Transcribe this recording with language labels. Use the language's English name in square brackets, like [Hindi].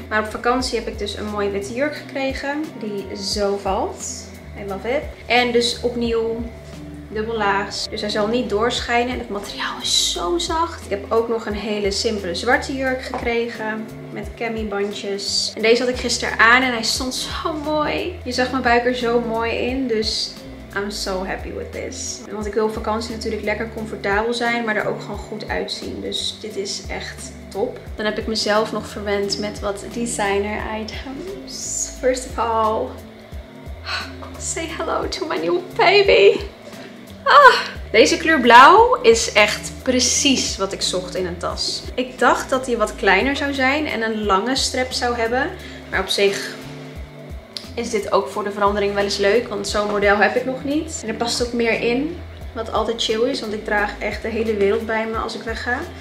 [Dutch] Maar op vakantie heb ik dus een mooie witte jurk gekregen. Die zo valt. [English] I love it. [Dutch] En dus opnieuw dubbellaags. Dus hij zal niet doorschijnen. En het materiaal is zo zacht. Ik heb ook nog een hele simpele zwarte jurk gekregen. Met cami bandjes. En deze had ik gisteren aan. En hij stond zo mooi. Je zag mijn buik er zo mooi in. [English] Dus I'm so happy with this. [Dutch] Want ik wil op vakantie natuurlijk lekker comfortabel zijn. Maar er ook gewoon goed uitzien. Dus dit is echt top. Dan heb ik mezelf nog verwend met wat designer items. [English] First of all, say hello to my new baby. [Dutch] Ah, deze kleur blauw is echt precies wat ik zocht in een tas. Ik dacht dat die wat kleiner zou zijn en een lange strep zou hebben. Maar op zich is dit ook voor de verandering wel eens leuk. Want zo'n model heb ik nog niet. En er past ook meer in. Wat altijd chill is, want ik draag echt de hele wereld bij me als ik wegga.